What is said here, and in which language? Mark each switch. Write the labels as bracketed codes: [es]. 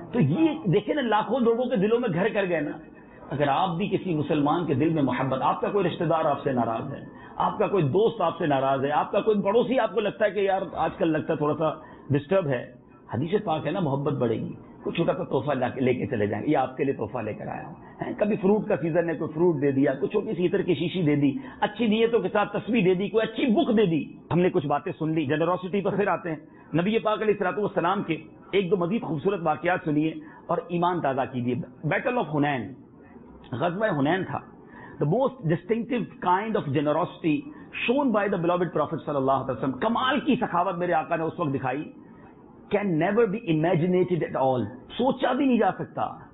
[ur] تو یہ دیکھیں نا, لاکھوں لوگوں کے دلوں میں گھر کر گئے نا. اگر آپ بھی کسی مسلمان کے دل میں محبت, آپ کا کوئی رشتہ دار آپ سے ناراض ہے, آپ کا کوئی دوست آپ سے ناراض ہے, آپ کا کوئی پڑوسی آپ کو لگتا ہے کہ یار آج کل لگتا ہے تھوڑا سا ڈسٹرب ہے, حدیث پاک ہے نا محبت بڑھے گی, کوئی چھوٹا سا تحفہ لے کے چلے جائیں. یہ آپ کے لیے تحفہ لے کر آیا ہوں. کبھی فروٹ کا سیزن ہے, کوئی فروٹ دے دیا, کوئی چھوٹی سی عطر کی شیشی دے دی, اچھی نیتوں کے ساتھ تسبیح دے دی, کوئی اچھی بک دے دی. ہم نے کچھ باتیں سن لی, جنروسٹی پر پھر آتے ہیں. نبی پاک علیہ الصلوۃ والسلام کے ایک دو مزید خوبصورت واقعات سنیے اور ایمان تازہ کیجیے. بیٹل آف حنین, غزوہ حنین تھا. [en] the most distinctive kind of generosity shown by the beloved prophet [ur] صلی اللہ علیہ وسلم, کمال کی سخاوت میرے آقا نے اس وقت دکھائی, [en] can never be imaginated at all, [ur] socha bhi nahi ja sakta.